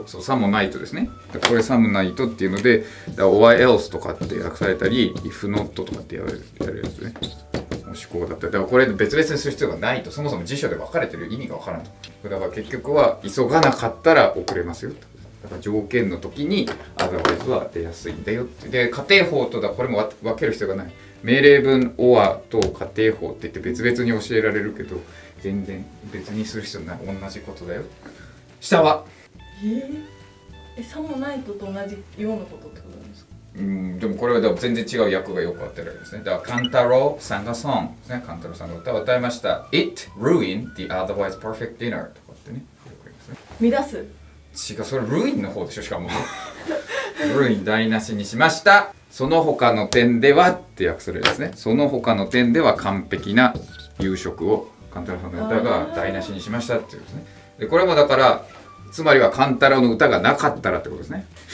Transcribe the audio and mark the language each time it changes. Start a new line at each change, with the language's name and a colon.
Japanese: うん、そうサムナイトですねこれサムナイトっていうので
English: Why else
Japanese: とかって訳されたり
English: If not
Japanese: とかってやるやつねもしこうだったらこれ別々にする必要がないとそもそも辞書で分かれてる意味が分からんとだから結局は急がなかったら遅れますよとだから条件の時にアドバイスは出やすいんだよってで仮定法とだこれも分ける必要がない命令文 or と仮定法って言って別々に教えられるけど全然別にする必要ない同じことだよ下はえさもないとと同じようなことってことでもこれはでも全然違う訳がよく当てられるんですね。だからカンタロウさんがソングですね。カンタロウさんが歌を歌いました。
English: It ruined the otherwise perfect dinner
Japanese: とかってね。よく言いますね。乱す。違う、それ ruin の方でしょ、しかも。ruin 台無しにしました。その他の点ではって訳するんですね。その他の点では完璧な夕食をカンタロウさんの歌が台無しにしましたっていうですね。でこれもだから、つまりはカンタロウの歌がなかったらってことですね。